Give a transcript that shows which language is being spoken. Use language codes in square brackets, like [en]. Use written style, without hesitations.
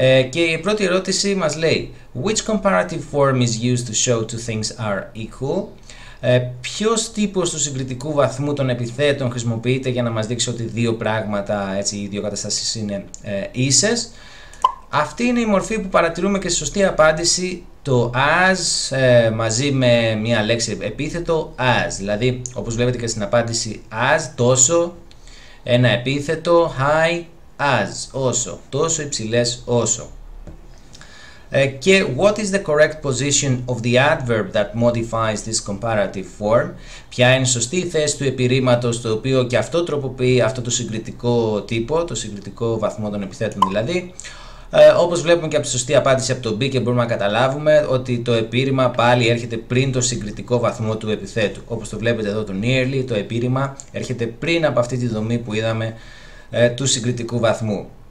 [el] Και η πρώτη ερώτηση μας λέει [en] «Which comparative form is used to show two things are equal?» [el] Ποιος τύπος του συγκριτικού βαθμού των επιθέτων χρησιμοποιείται για να μας δείξει ότι δύο πράγματα, έτσι, οι δύο καταστάσεις είναι ίσες? Αυτή είναι η μορφή που παρατηρούμε και στη σωστή απάντηση, το as μαζί με μια λέξη επίθετο as. Δηλαδή, όπως βλέπετε και στην απάντηση as, τόσο, ένα επίθετο, high, as, όσο, τόσο υψηλές, όσο. [en] Και what is the correct position of the adverb that modifies this comparative form? [el] Ποια είναι η σωστή θέση του επιρρήματος το οποίο και αυτό τροποποιεί αυτό το συγκριτικό τύπο, το συγκριτικό βαθμό των επιθέτων δηλαδή? Όπως βλέπουμε και από τη σωστή απάντηση από το B και μπορούμε να καταλάβουμε ότι το επίρρημα πάλι έρχεται πριν το συγκριτικό βαθμό του επιθέτου. Όπως το βλέπετε εδώ το nearly, το επίρρημα έρχεται πριν από αυτή τη δομή που είδαμε του συγκριτικού βαθμού.